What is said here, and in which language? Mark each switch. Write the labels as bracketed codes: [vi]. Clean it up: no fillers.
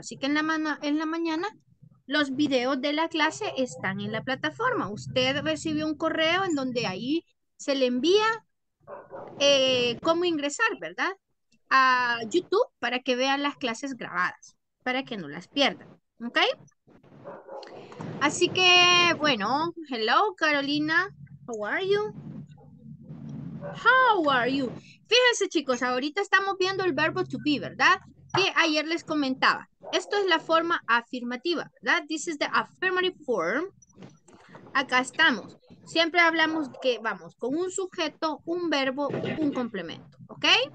[es] Así que en la mañana los videos de la clase están en la plataforma. Usted recibió un correo en donde ahí se le envía cómo ingresar, ¿verdad? A YouTube para que vean las clases grabadas, para que no las pierdan, ¿ok? Así que, bueno, [en] hello Carolina, how are you? How are you? [es] Fíjense chicos, ahorita estamos viendo el verbo to be, ¿verdad? Que ayer les comentaba. Esto es la forma afirmativa, ¿verdad? [en] This is the affirmative form. [es] Acá estamos. Siempre hablamos que vamos con un sujeto, un verbo, un complemento, ¿ok?